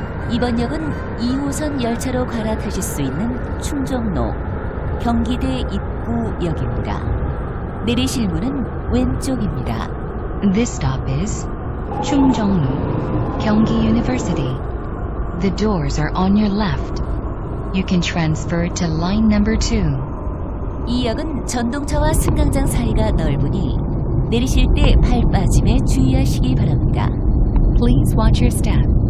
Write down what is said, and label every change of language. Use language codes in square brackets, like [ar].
[ko] 이번 역은 2호선 열차로 갈아타실 수 있는 충정로 경기대 입구 역입니다. 내리실 문은 왼쪽입니다. [en] This stop is 충정로 경기 University. The doors are on your left. You can transfer to line number 2. [ko] 이 역은 전동차와 승강장 사이가 넓으니 내리실 때 발 빠짐에 주의하시기 바랍니다. [en] Please watch your step.